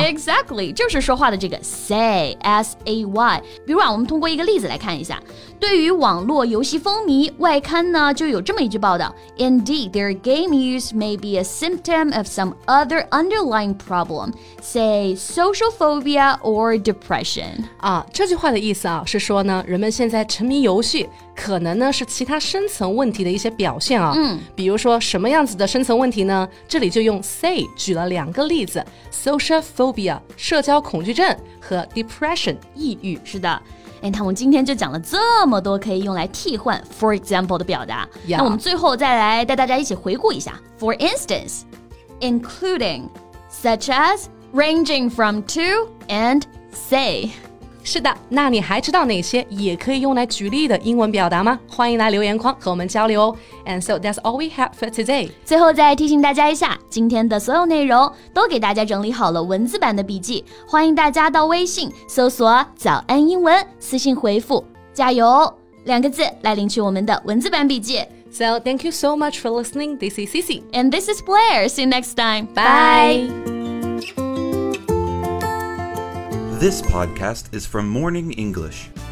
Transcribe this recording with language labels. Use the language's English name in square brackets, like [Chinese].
[Chinese] Exactly, 就是说话的这个 say, S-A-Y. 比如啊，我们通过一个例子来看一下。对于网络游戏风靡，外刊呢就有这么一句报道。 [English] Indeed, their game use may be a symptom of some other underlying problem, say social phobia or depression. [Chinese] 啊，这句话的意思啊，是说呢，人们现在沉迷游戏可能呢是其他深层问题的一些表现啊。嗯，比如说什么样子的深层问题呢？这里就用 say 举了两个例子， social phobia 社交恐惧症和 depression 抑郁。是的，哎，那我们今天就讲了这么多可以用来替换 [English] for example [Chinese] 的表达。 [English] Yeah. [Chinese] 那我们最后再来带大家一起回顾一下。 [English] For instance, including, such as, ranging from to and say. [Chinese] 是的，那你还知道哪些也可以用来举例的英文表达吗？欢迎来留言框和我们交流哦。 [English] And so that's all we have for today. [Chinese] 最后再提醒大家一下，今天的所有内容都给大家整理好了文字版的笔记，欢迎大家到微信搜索早安英文，私信回复加油两个字来领取我们的文字版笔记。 [English] So thank you so much for listening. This is Cici. And this is Blair. See you next time. Bye. This podcast is from Morning English.